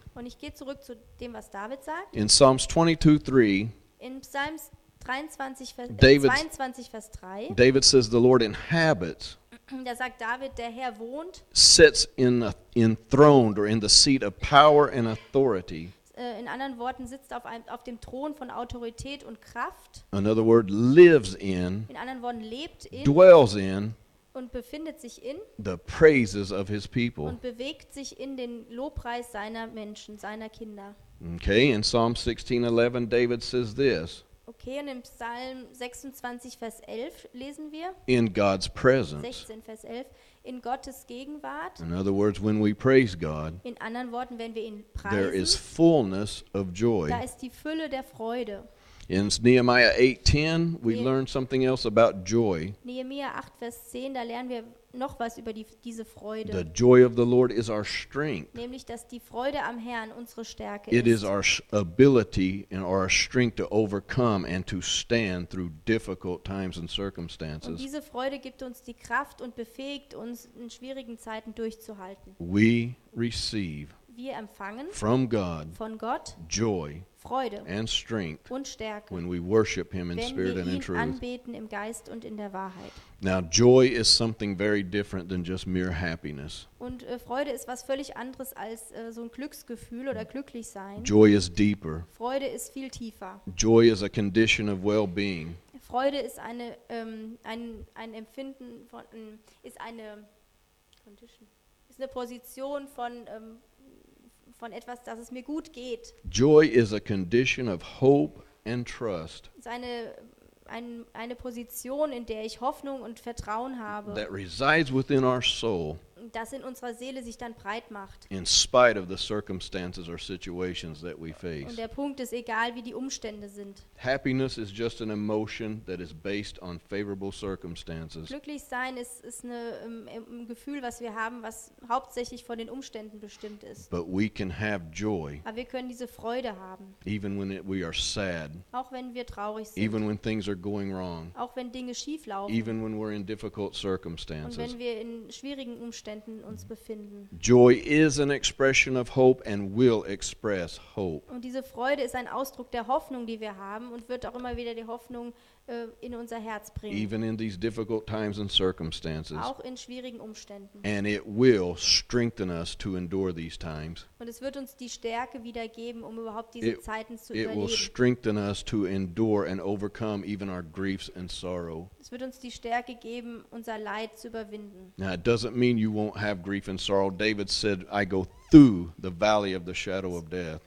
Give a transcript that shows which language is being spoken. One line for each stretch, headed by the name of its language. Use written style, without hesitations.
German: Und ich gehe zurück zu dem, was David sagt.
English: In Psalms 22:3.
German: In Psalms 22 Vers 3.
English: David says the Lord inhabits.
German: Da sagt David, der Herr wohnt.
English: Sits enthroned or in the seat of power and authority.
German: In anderen Worten, sitzt auf dem Thron von Autorität und Kraft.
English: In other words, lives in.
German: In anderen Worten, lebt in.
English: Dwells in.
German: Und befindet sich in.
English: The praises of his people.
German: Und bewegt sich in den Lobpreis seiner Menschen, seiner Kinder.
English: Okay, in Psalm 16:11, David says this.
German: Okay, und im Psalm 26, Vers 11 lesen wir.
English: In God's presence.
German: 16, Vers 11. In Gottes Gegenwart.
English: In other words, when we praise God.
German: In anderen Worten, wenn wir ihn preisen.
English: There is fullness of joy.
German: Da ist die Fülle der Freude.
English: In Nehemiah 8:10, we learn something else about joy.
German: Nehemiah 8, Vers 10, da lernen wir noch was über diese Freude.
English: The joy of the Lord is our strength.
German: Nämlich, dass die Freude am Herrn unsere Stärke ist.
English: It is our ability and our strength to overcome and to stand through difficult times and circumstances.
German: Und diese Freude gibt uns die Kraft und befähigt uns, in schwierigen Zeiten durchzuhalten.
English: We receive.
German: Wir empfangen
English: from God
German: von Gott
English: joy,
German: Freude
English: and strength
German: und Stärke,
English: when we worship him in spirit and in truth.
German: Wenn wir ihn anbeten im Geist und in der Wahrheit.
English: Now joy is something very different than just mere happiness.
German: Und Freude ist was völlig anderes als so ein Glücksgefühl oder glücklich sein.
English: Joy is deeper.
German: Freude ist viel tiefer.
English: Joy is a condition of well-being.
German: Freude ist eine ein Empfinden von ist eine condition. Ist eine Position von von etwas, dass es mir gut geht.
English: Joy is a condition of hope and trust.
German: Eine Position, in der ich Hoffnung und Vertrauen habe.
English: That resides within our soul.
German: das in unserer Seele sich dann breit macht.
English: In spite of the circumstances or situations that we face.
German: Und der Punkt ist, egal wie die Umstände sind.
English: Happiness is just an emotion that is based on favorable circumstances.
German: Glücklich sein ist ein Gefühl, was wir haben, was hauptsächlich von den Umständen bestimmt ist.
English: But we can have joy.
German: Aber wir können diese Freude haben.
English: Even when we are sad.
German: Auch wenn wir traurig sind.
English: Even when things are going wrong.
German: Auch wenn Dinge schief laufen.
English: Even when we're in difficult circumstances.
German: Und wenn wir in schwierigen Umständen uns befinden.
English: Joy is an expression of hope and will express hope.
German: Und diese Freude ist ein Ausdruck der Hoffnung, die wir haben, und wird auch immer wieder die Hoffnung in unser Herz bringen.
English: Even in these difficult times and circumstances.
German: Auch in schwierigen Umständen.
English: And it will strengthen us to endure these times.
German: Und es wird uns die Stärke wieder geben, um überhaupt diese Zeiten zu überleben.
English: It will strengthen us to endure and overcome even our griefs and sorrow.
German: Es wird uns die Stärke geben, unser Leid zu überwinden.
English: Now it doesn't mean you won't have grief and sorrow. David said, I go through the valley of the shadow of death.